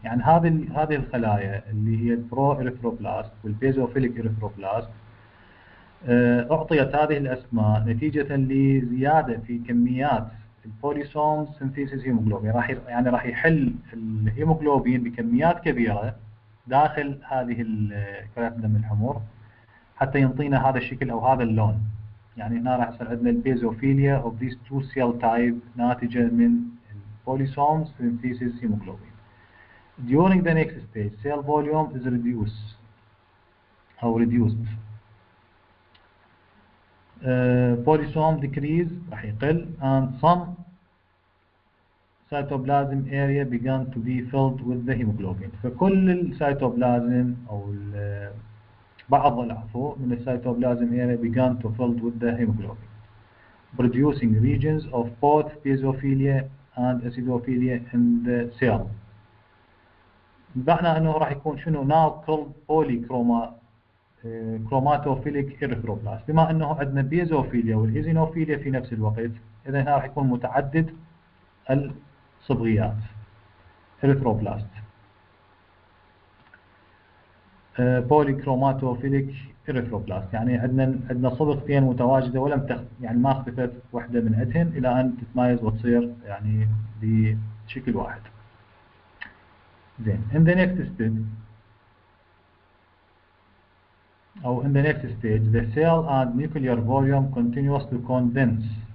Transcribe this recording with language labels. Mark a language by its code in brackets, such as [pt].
[ar] يعني هذه الخلايا اللي هي البرو إريثروبلاست والبيزوفيليك إريثروبلاست أعطيت هذه الأسماء نتيجة لزيادة في كميات البوليسومز [en] synthesis hemoglobin، [ar] راح يعني راح يحل الهيموغلوبين بكميات كبيرة داخل هذه كريات دم الحمور حتى ينطينا هذا الشكل او هذا اللون. يعني هنا راح يصير عندنا البيزوفيليا [en] of these two cell type [ar] ناتجه من البوليسوم [en] synthesis hemoglobin. During the next stage, cell volume is reduced أو reduced. Polysome decrease [ar] راح يقل [en] and some cytoplasm area began to be filled with the hemoglobin. [ar] فكل السيتوبلازم أو بعض العفو من السيتوبلازم [en] area began to filled with the hemoglobin, producing regions of both basophilia and acidophilia in the cell. [ar] بمعنى انه راح يكون شنو [en] now called polychromatophilic erythroblast. [ar] بما انه عندنا بيزوفيليا والايزينوفيليا في نفس الوقت اذا هنا راح يكون متعدد الصبغيات [en] erythroblast polychromatophilic erythroblast. [ar] يعني عندنا صبغتين متواجده ولم تخ... يعني ما اختفت وحده من عندهن الى ان تتمايز وتصير يعني بشكل واحد. [en] Then, in the next step, or in the next stage, the cell and nuclear volume continues to condense.